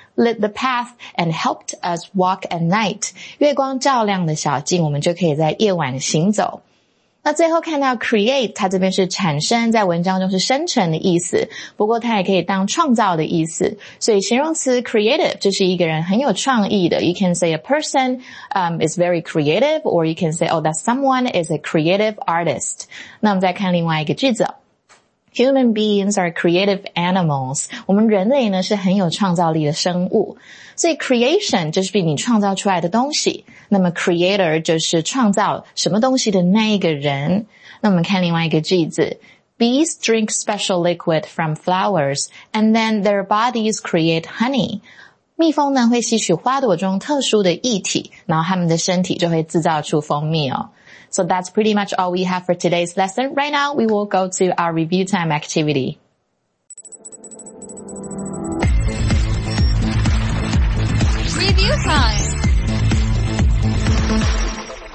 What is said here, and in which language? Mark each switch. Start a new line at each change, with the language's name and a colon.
English: Lit the path and helped us walk at night.
Chinese: 月光照亮的小径，我们就可以在夜晚行走。那最后看到 create， 它这边是产生，在文章中是生成的意思，不过它也可以当创造的意思。所以形容词 creative 就是一个人很有创意的。
English: You can say a person is very creative, or you can say, oh, that someone is a creative artist.
Chinese: 那我们再看另外一个句子。
English: Human beings are creative animals.
Chinese: 我们人类呢是很有创造力的生物。所以 creation 就是你创造出来的东西。那么 creator 就是创造什么东西的那一个人。那我们看另外一个句子。
English: Bees drink special liquid from flowers, and then their bodies create honey.
Chinese: 蜜蜂呢会吸取花朵中特殊的液体，然后他们的身体就会制造出蜂蜜哦。
English: So that's pretty much all we have for today's lesson. Right now, we will go to our review time activity. Review time.